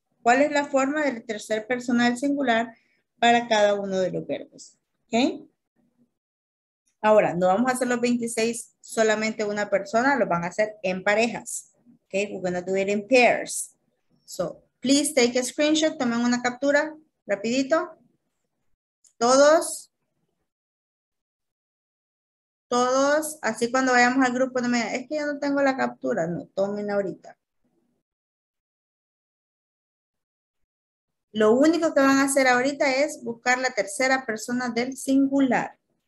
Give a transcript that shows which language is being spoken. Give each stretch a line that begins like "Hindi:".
Spanish: ¿Cuál es la forma del tercer personal singular para cada uno de los verbos? ¿Okay? Ahora, no vamos a hacer los 26 solamente una persona, lo van a hacer en parejas.
English: Okay, we're going to do it in pairs. So, please take a screenshot,
Spanish: tomen una captura, rapidito. Todos, así cuando vayamos al grupo, no me digan, es que yo no tengo la captura. No, tomen ahorita. Lo único que van a hacer ahorita es buscar la tercera persona del singular.